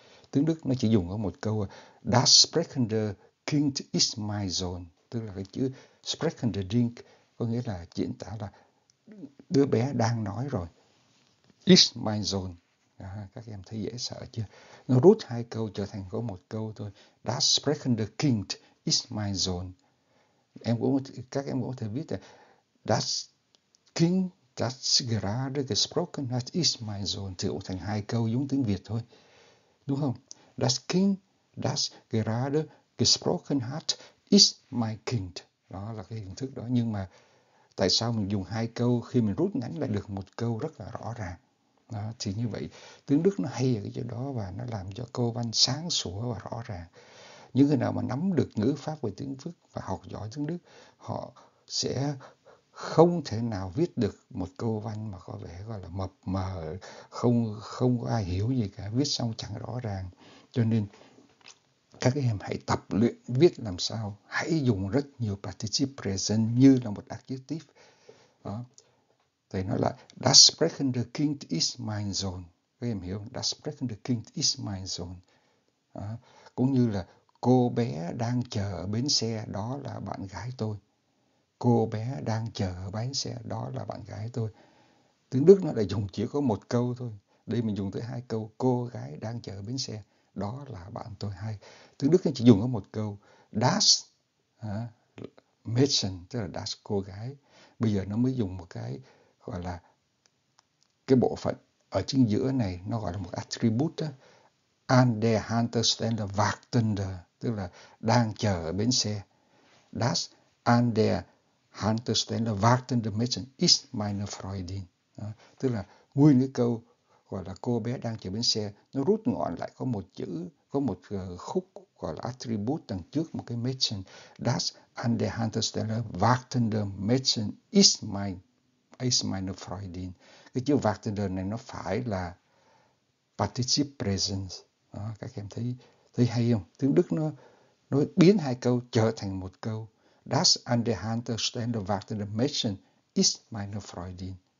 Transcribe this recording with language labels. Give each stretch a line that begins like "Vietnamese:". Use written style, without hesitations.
Vietnamese: Tiếng Đức nó chỉ dùng ở một câu
German: Das sprechende Kind ist mein Sohn,
Vietnamese: tức là cái chữ sprechende Kind có nghĩa là diễn tả là đứa bé đang nói rồi.
German: Ist mein Sohn.
Vietnamese: À, các em thấy dễ sợ chưa? Nó rút hai câu trở thành có một câu thôi.
German: Das sprechende Kind ist mein Sohn.
Vietnamese: Các em cũng có thể viết là
German: Das Kind das gerade gesprochen hat ist mein Sohn,
Vietnamese: thì cũng thành hai câu giống tiếng Việt thôi. Đúng không?
German: Das Kind das gerade gesprochen hat ist mein Kind.
Vietnamese: Đó là cái hình thức đó. Nhưng mà tại sao mình dùng hai câu khi mình rút ngắn lại được một câu rất là rõ ràng? Đó, thì như vậy tiếng Đức nó hay ở cái chỗ đó và nó làm cho câu văn sáng sủa và rõ ràng. Những người nào mà nắm được ngữ pháp về tiếng Đức và học giỏi tiếng Đức, họ sẽ không thể nào viết được một câu văn mà có vẻ gọi là mập mờ, không không có ai hiểu gì cả, viết xong chẳng rõ ràng. Cho nên các em hãy tập luyện viết làm sao, hãy dùng rất nhiều participle present như là một adjective. Đó. Thầy nói là
German: Das sprechende Kind ist mein Sohn.
Vietnamese: Các em hiểu không?
German: Das sprechende Kind ist mein Sohn.
Vietnamese: Đó. Cũng như là cô bé đang chờ ở bến xe, đó là bạn gái tôi. Cô bé đang chờ ở bến xe, đó là bạn gái tôi. Tiếng Đức nó lại dùng chỉ có một câu thôi. Đây mình dùng tới hai câu. Cô gái đang chờ ở bến xe, đó là bạn tôi. Hay tiếng Đức nó chỉ dùng có một câu. Das Mädchen, tức là das cô gái. Bây giờ nó mới dùng một cái gọi là cái bộ phận ở chính giữa này, nó gọi là một attribute đó.
German: An der Haltestelle wartender,
Vietnamese: tức là đang chờ ở bến xe.
German: Das an der Haltestelle wartender Mädchen ist meine Freundin.
Vietnamese: Đó. Tức là nguyên cái câu gọi là cô bé đang chờ bến xe, nó rút gọn lại có một chữ, có một khúc gọi là attribute đằng trước một cái Mädchen.
German: Das an der Haltestelle wartender Mädchen ist meine Freundin.
Vietnamese: Cái chữ wartender này nó phải là participe present. Đó, các em thấy thấy hay không? Tiếng Đức nó biến hai câu trở thành một câu.
German: Das an der Haltestelle wartende Mädchen ist meine Freundin.